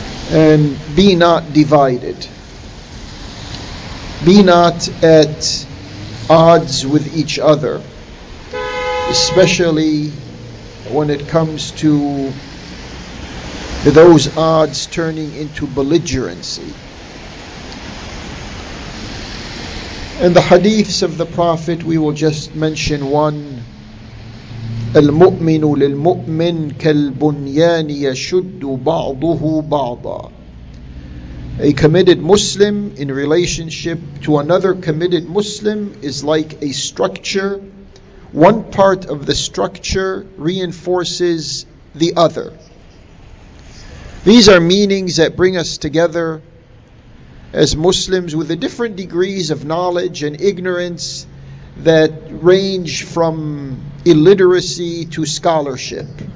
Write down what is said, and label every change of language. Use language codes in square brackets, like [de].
[en] and be not divided, be not at odds with each other, especially when it comes to those odds turning into belligerency. And the hadiths of the Prophet, we will just mention one. [ar] المؤمن للمؤمن كالبنيان يشد بعضه بعضا. [en] A committed Muslim in relationship to another committed Muslim is like a structure. One part of the structure reinforces the other. These are meanings that bring us together as Muslims with the different degrees of knowledge and ignorance that range from illiteracy to scholarship.